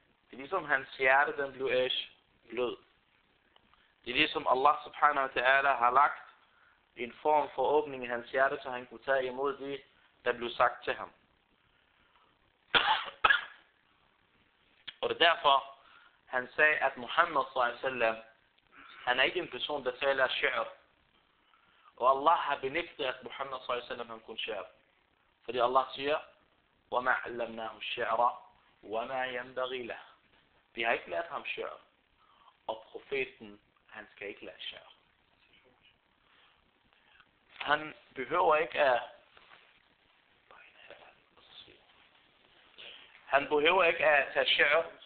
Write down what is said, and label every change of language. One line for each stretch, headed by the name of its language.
Danish: Det er ligesom hans hjerte, den blev blød. Det er ligesom Allah subhanahu wa ta'ala har lagt en form for åbning i hans hjerte, så han kunne tage imod det, der blev sagt til ham. Og det er derfor, han sagde, at Muhammad sallallahu alaihi wasallam, han er ikke en person, der taler shi'r. Og Allah har benægtet, at Muhammad sallallahu alaihi wasallam kunne shi'r. Fordi Allah siger,
Arabic: وَمَا عَلَّمْنَاهُ الشِّعْرَ وَمَا يَنْبَغِي لَهُ.
Danish: Vi har ikke lært ham shi'r. Og profeten, han skal ikke lære shi'r. Han behøver ikke at Han behøver ikke at tage shi'r.